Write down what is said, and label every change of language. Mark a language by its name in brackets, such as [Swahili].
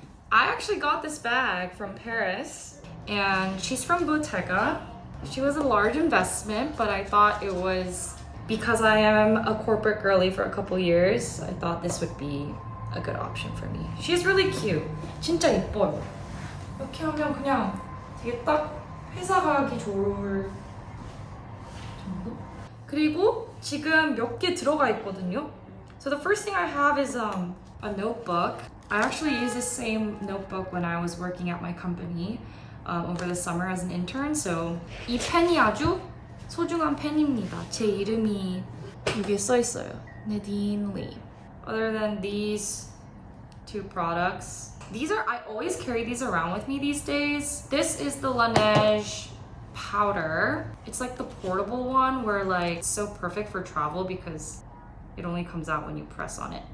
[English] I actually got this bag from Paris and she's from Bottega. She was a large investment, but I thought it was because I am a corporate girly for a couple years, I thought this would be a good option for me. She's really cute. [Korean] 진짜 예뻐. 이렇게 하면 그냥 되게 딱 회사 가기 좋을 정도? 그리고 지금 몇 개 들어가 있거든요? [English] So the first thing I have is a notebook. I actually use the same notebook when I was working at my company over the summer as an intern, so [Korean] 이 펜이 아주 소중한 펜입니다. 제 이름이 여기에 써있어요. Nadine Lee. [English] Other than these two products, these are, I always carry these around with me these days. This is the Laneige powder. It's like the portable one where like, it's so perfect for travel because it only comes out when you press on it.